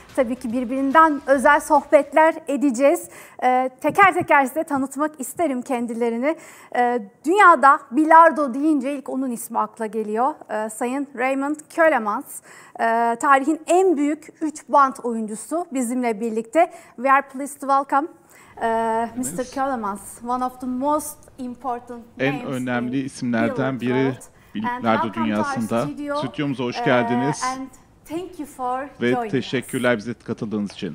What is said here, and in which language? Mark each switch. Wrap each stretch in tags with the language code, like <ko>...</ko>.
<tr>Tabii ki birbirinden özel sohbetler edeceğiz. Teker teker size tanıtmak isterim kendilerini. Dünyada bilardo deyince ilk onun ismi akla geliyor. Sayın Raymond Kölemans. Tarihin en büyük 3 bant oyuncusu bizimle birlikte.</tr> <en>We are pleased to welcome Mr. Kölemans. One of the most important names.</en> <tr>En önemli isimlerden biri. Bilardo dünyasında. Stüdyomuza hoş geldiniz.</tr> <en>Thank you for</en> <tr>ve teşekkürler bize katıldığınız için.</tr>